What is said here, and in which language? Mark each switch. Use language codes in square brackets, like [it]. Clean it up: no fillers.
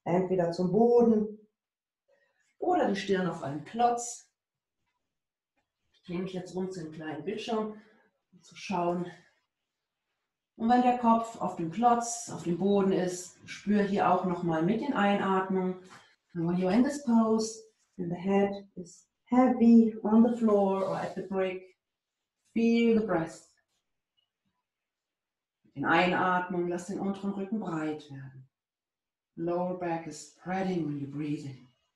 [de] Entweder zum Boden oder die Stirn auf einen Klotz. Ich drehe mich jetzt rum zu dem kleinen Bildschirm, um zu schauen. Und wenn der Kopf auf dem Klotz, auf dem Boden ist, spüre hier auch nochmal mit den Einatmungen. [en] When you're in this pose, and the head is heavy on the floor or at the brick, feel the breath. [de] In Einatmung, lass den unteren Rücken breit werden. [en] Lower back is spreading when you breathe in.